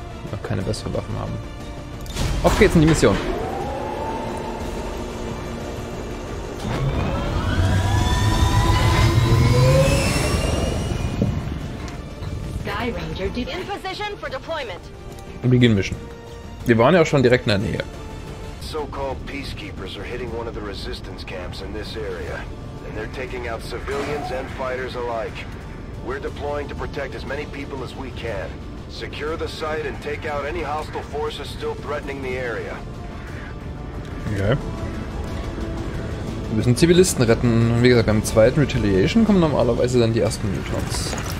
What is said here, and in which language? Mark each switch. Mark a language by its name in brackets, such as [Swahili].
[German] Wenn wir keine besseren Waffen haben. Auf geht's in die Mission! [English] In position for deployment. Begin mission. Wir waren ja schon direkt in der Nähe. So-called peacekeepers are hitting one of the resistance camps in this area. And they're taking out civilians and fighters alike. We're deploying to protect as many people as we can. Secure the site and take out any hostile forces still threatening the area. [German] Okay. Wir müssen Zivilisten retten. Wie gesagt, beim zweiten Retaliation kommen normalerweise dann die ersten Mutants.